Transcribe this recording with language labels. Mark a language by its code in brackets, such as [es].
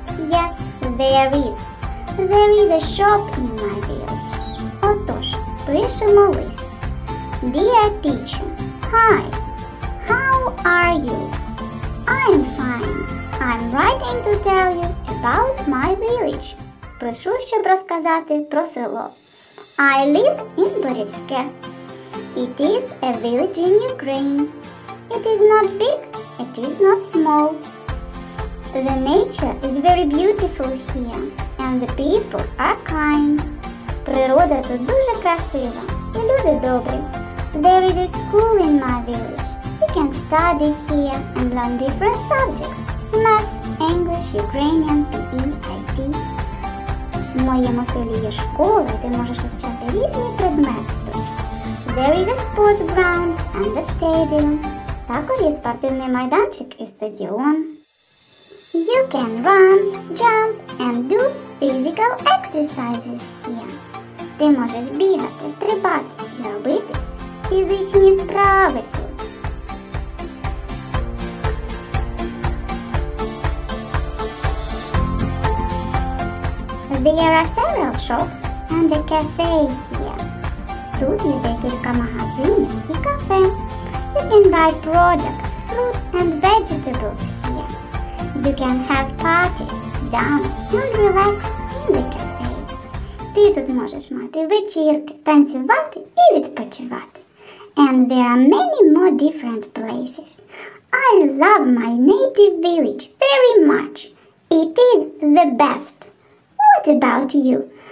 [en] Yes, there is. There is a shop in my village. [uk] Отож, пишемо лист. [en] Dear teacher, hi. How are you? I'm fine. I'm writing to tell you about my village. [uk] Пишу, щоб розказати про село. [en] I live in Борівське. It is a village in Ukraine. It is not big, it is not small. The nature is very beautiful here, and the people are kind. [uk] Природа тут дуже красива, і люди добрі. [en] There is a school in my village. You can study here and learn different subjects. Math, English, Ukrainian, PE, IT. [uk] В моєму селі є школа, ти можеш вивчати різні предмети. [en] There is a sports ground and a stadium. [uk] Також є спортивний майданчик і стадіон. [en] You can run, jump, and do physical exercises here. [uk] Ти можеш бігати, стрибати і робити фізичні вправи тут. [en] There are several shops and a cafe here. [uk] Тут є декілька магазинів і кафе. [en] You can buy products, fruit and vegetables here. You can have parties, dance, and relax in the cafe. [uk] Ти тут можеш мати вечірки, танцювати і відпочивати. [en] And there are many more different places. I love my native village very much. It is the best. What about you?